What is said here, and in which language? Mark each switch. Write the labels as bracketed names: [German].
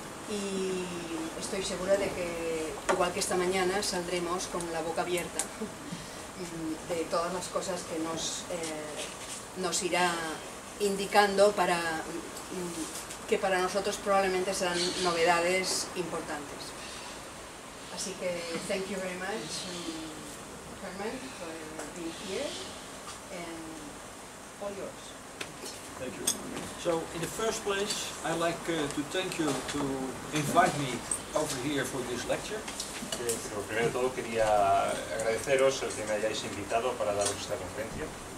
[Spanish] Y estoy segura de que, igual que esta mañana, saldremos con la boca abierta de todas las cosas que nos irá indicando para que para nosotros probablemente serán novedades importantes. Así que, [English] thank you very much, Herman, for being here, and all yours. Thank you. So, in the first place, I'd like to thank you to invite me over here for this lecture. [Spanish] Por primero todo quería agradeceros el que me hayáis invitado para daros esta conferencia.